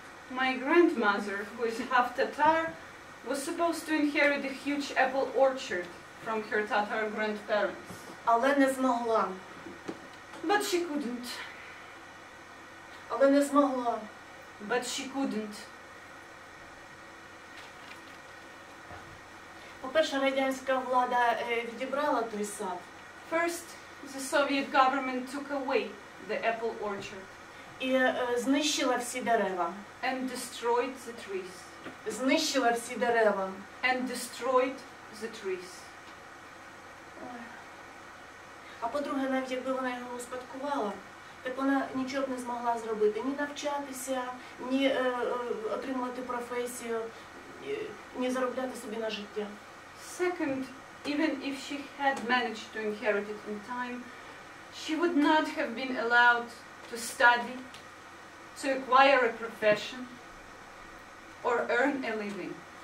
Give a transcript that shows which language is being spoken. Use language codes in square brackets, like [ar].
[en] My grandmother, who is half Tatar, was supposed to inherit a huge apple orchard from her Tatar grandparents. [uk] Але не змогла. [en] But she couldn't. [uk] Але не змогла. [en] But she couldn't. [uk] По-перше, радянська влада відібрала той сад. [en] First, the Soviet government took away the apple orchard. [uk] І знищила всі дерева. [en] And destroyed the trees. [uk] Знищила всі дерева. [en] And destroyed the trees. [uk] А по-друге, навіть якби вона його успадкувала, так вона нічого б не змогла зробити. Ні навчатися, ні отримувати професію, ні заробляти собі на життя. [en] Second, even if she had managed to inherit it in time, she would not have been allowed to study, to acquire a profession, or earn a living.